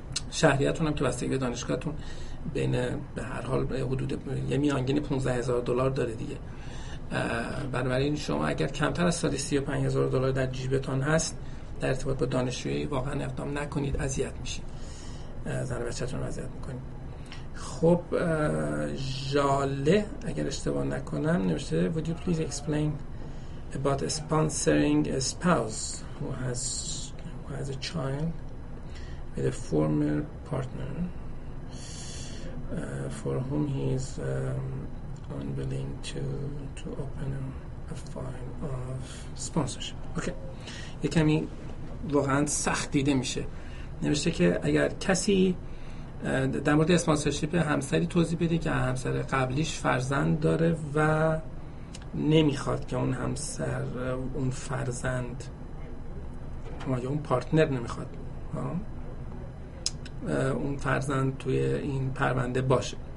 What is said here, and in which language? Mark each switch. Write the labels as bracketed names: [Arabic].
[Persian] شهریتون هم که بستگی به دانشگاهتون بین به هر حال حدود یه میانگین $15,000 داره دیگه. بنابراین شما اگر کمتر از سالی $35,000 در جیبتان هست، در ارتباط با دانشجویی واقعا اقدام نکنید، اذیت میشید، زن بچه‌تون رو اذیت میکنید. خب جاله اگر اشتباه نکنم نوشته [English] Would you please explain about sponsoring a spouse who has a child with a former partner for whom he is unwilling to open a file of sponsorship. Okay. [Persian] یه کمی واقعا سخت دیده میشه. نوشته که اگر کسی در مورد اسپانسرشیپ همسری توضیح بده که همسر قبلیش فرزند داره و نمیخواد که اون همسر اون فرزند یا اون پارتنر نمیخواد اون فرزند توی این پرونده باشه.